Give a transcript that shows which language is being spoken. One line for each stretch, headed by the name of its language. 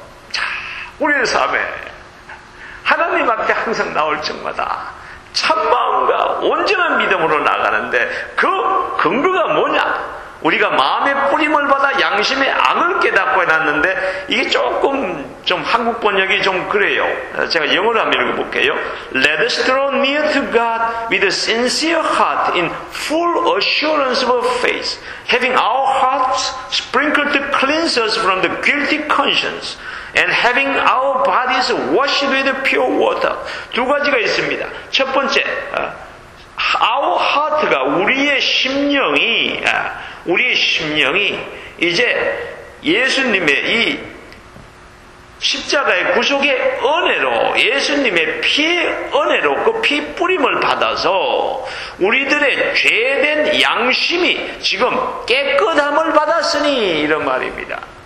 Korean: 자, 우리의 삶에 하나님한테 항상 나올 적마다 참마음과 온전한 믿음으로 나가는데 그 근거가 뭐냐? 우리가 마음의 뿌림을 받아 양심의 악을 깨닫고 해놨는데 이게 조금 좀 한국 번역이 좀 그래요. 제가 영어로 한번 읽어볼게요.
English: Let us draw near to God with a sincere heart in full assurance of our faith, having our hearts sprinkled to cleanse us from the guilty conscience, and having our bodies washed with pure water.
Korean: 두 가지가 있습니다. 첫 번째,
English: our heart
Korean: 가 우리의 심령이 우리의 심령이 이제 예수님의 이 십자가의 구속의 은혜로 예수님의 피의 은혜로 그 피 뿌림을 받아서 우리들의 죄된 양심이 지금 깨끗함을 받았으니 이런 말입니다.